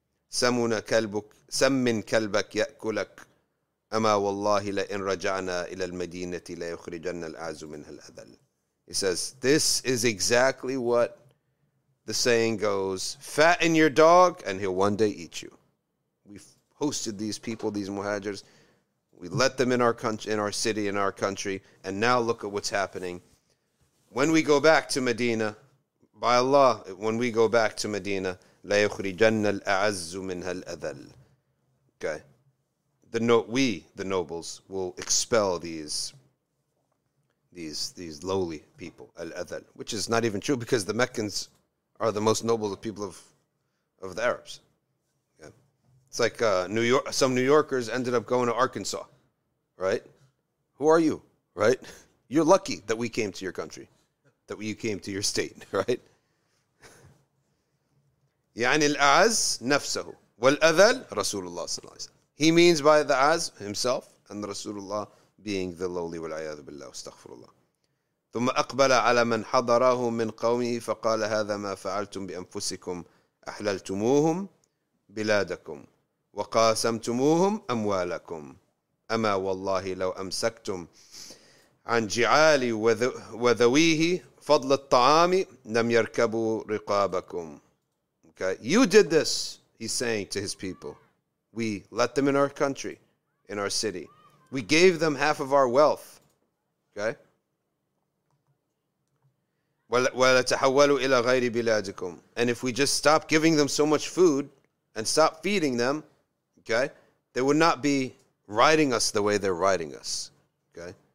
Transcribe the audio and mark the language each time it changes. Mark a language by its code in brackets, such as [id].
[ar] سمنا كلبك سمن كلبك يأكلك أما والله لئن رجعنا إلى المدينة لا يخرجنا الأعز منها الأذل. [en] He says, this is exactly what the saying goes, fatten your dog and he'll one day eat you. We've hosted these people, these muhajirs, we let them in our country, in our city, in our country, and now look at what's happening. When we go back to Medina, by Allah, when we go back to Medina, [ar] لا يخرجن الأعز منها الأذل. [en] Okay, the nobles will expel these lowly people, الأذل, which is not even true because the Meccans are the most noble people of the Arabs. Okay. It's like New York. Some New Yorkers ended up going to Arkansas, right? Who are you, right? You're lucky that we came to your country, that you came to your state, right? [ar] يعني الأعز نفسه والأذل رسول الله صلى الله عليه وسلم. [en] He means by the Az himself and رسول الله being the lowly [ar] والعياذ بالله استغفر الله. ثم أقبل على من حضره من قومه فقال هذا ما فعلتم بأنفسكم أحللتموهم بلادكم وقاسمتموهم أموالكم أما والله لو أمسكتم عن جعالي وذويه فضل الطعام لم يركبوا رقابكم. [en] Okay. You did this, he's saying to his people. We let them in our country, in our city. We gave them half of our wealth. Okay. [ar] وَلَتَحَوَّلُوا إِلَى غَيْرِ بِلَادِكُمْ. [en] And if we just stop giving them so much food and stop feeding them, okay, they would not be riding us the way they're riding us. Okay.